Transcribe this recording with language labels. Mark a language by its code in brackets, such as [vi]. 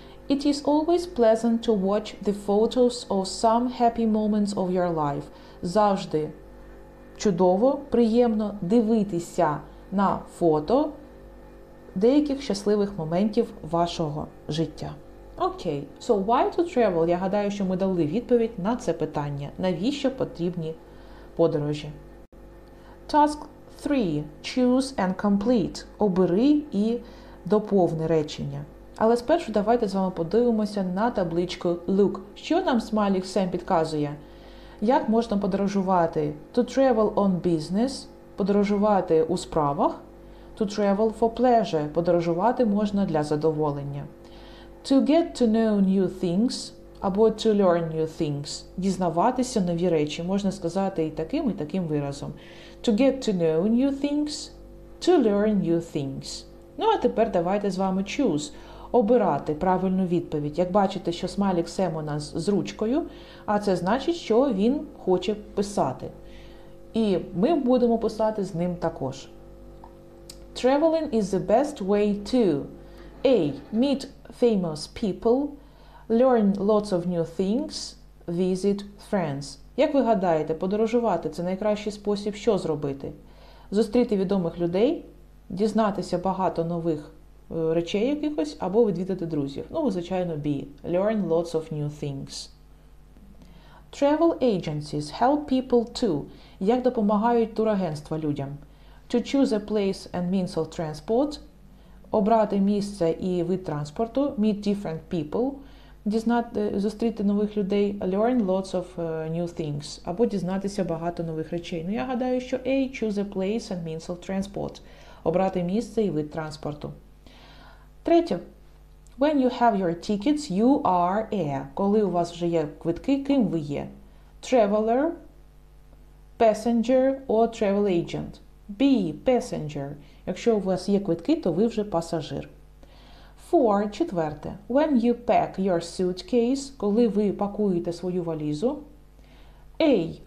[en] It is always pleasant to watch the photos of some happy moments of your life. [uk] Завжди чудово, приємно дивитися на фото деяких щасливих моментів вашого життя. [en] Окей, so why to travel? [uk] Я гадаю, що ми дали відповідь на це питання. Навіщо потрібні подорожі? [en] Task 3. Choose and complete. [uk] Обери і доповни речення. Але спершу давайте з вами подивимося на табличку look. Що нам Smiling Sam підказує? Як можна подорожувати? [en] To travel on business – [uk] подорожувати у справах. [en] To travel for pleasure – [uk] подорожувати можна для задоволення. [en] To get to know new things або to learn new things – [uk] дізнаватися нові речі. Можна сказати і таким виразом. [en] To get to know new things – to learn new things. [uk] Ну, а тепер давайте з вами choose – обирати правильну відповідь. Як бачите, що Smiling Sam у нас з ручкою, а це значить, що він хоче писати. І ми будемо писати з ним також. [en] Traveling is the best way to A. Meet famous people, learn lots of new things, visit friends. [uk] Як ви гадаєте, подорожувати – це найкращий спосіб, що зробити? Зустріти відомих людей, дізнатися багато нових речей якихось, або відвідати друзів. Ну, звичайно, [en] B. Learn lots of new things. Travel agencies help people too. [uk] Як допомагають турагентства людям? [en] To choose a place and means of transport. [uk] Обрати місце і вид транспорту. [en] Meet different people. [uk] Зустріти нових людей. [en] Learn lots of new things. [uk] Або дізнатися багато нових речей. Ну, я гадаю, що [en] A. Choose a place and means of transport. [uk] Обрати місце і вид транспорту. Третє. [en] When you have your tickets, you are a. [uk] Коли у вас вже є квитки, ким ви є? [en] Traveler, passenger or travel agent. B. Passenger. [uk] Якщо у вас є квитки, то ви вже пасажир. [en] Four. [uk] Четверте. [en] When you pack your suitcase, [uk] коли ви пакуєте свою валізу. [en] A.